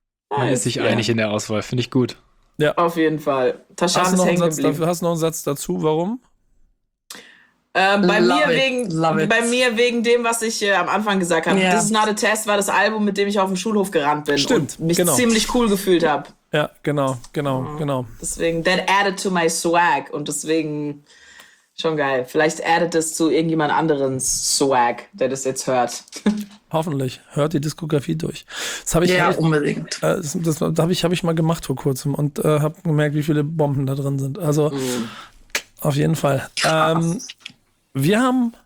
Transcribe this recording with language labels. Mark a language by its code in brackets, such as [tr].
[de] Man ist sich einig in der Auswahl, finde ich gut. Ja. Auf jeden Fall. Tashan ist hängen geblieben. Hast du noch einen Satz dazu, warum? Bei mir wegen dem, was ich am Anfang gesagt habe. Yeah. This Is Not A Test war das Album, mit dem ich auf dem Schulhof gerannt bin. Stimmt, und mich ziemlich cool gefühlt habe. Ja, genau. Deswegen, [en] that added to my swag. [de] Und deswegen, schon geil. Vielleicht addet es zu irgendjemand anderen's Swag, der das jetzt hört. Hoffentlich. Hört die Diskografie durch. Das habe ich unbedingt. Das habe ich mal gemacht vor kurzem und habe gemerkt, wie viele Bomben da drin sind. Also, auf jeden Fall. Wir haben.